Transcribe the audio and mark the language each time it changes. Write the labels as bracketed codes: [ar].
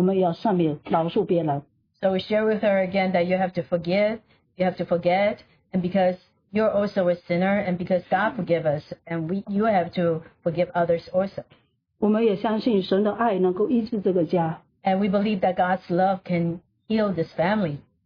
[zh] 然后我们又要跟他讲，一定要饶恕他，赦免他。你也是蒙恩的罪人，我们也是需要神饶恕、赦免，我们也要饶恕、赦免别人。神怎样赦免我们、饶恕我们，我们也要赦免、饶恕别人。 [en] So we share with her again that you have to forgive, you have to forget, and because you're also a sinner, and because God forgave us, and you have to forgive others also. [zh] 我们也相信神的爱能够医治这个家。 [en] And we believe that God's love can heal this family.